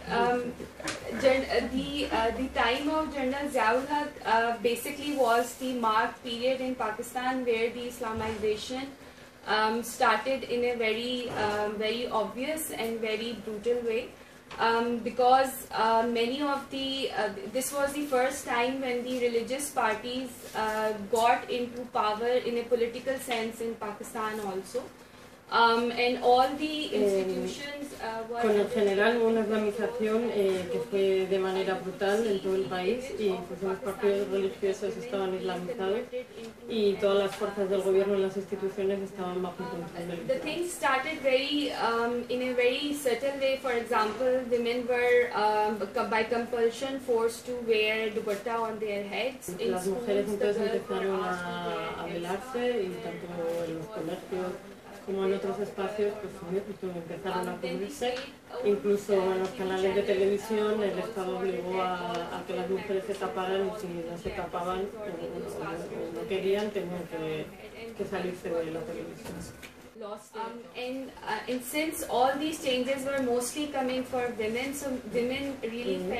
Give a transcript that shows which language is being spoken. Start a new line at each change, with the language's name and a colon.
English: The time of General Zia-ul-Haq basically was the marked period in Pakistan where the Islamization started in a very very obvious and very brutal way, because many of the this was the first time when the religious parties got into power in a political sense in Pakistan also. And all the institutions,
Spanish: con el general hubo una islamización que fue de manera brutal en todo el país y pues los partidos religiosos estaban islamizados y todas las fuerzas del gobierno y las instituciones estaban bajo control.
English: The things started very in a very certain way. For example, women were by compulsion forced to wear dupatta on their heads.
Spanish: Las mujeres entonces empezaron a velarse y tanto en los colegios como en otros espacios, pues empezaron a cubrirse. Incluso en los canales de televisión, el Estado obligó a que las mujeres se taparan, y si no se tapaban o no querían, tenían que salirse de la televisión.
English: And since all these changes were mostly coming for women, so women really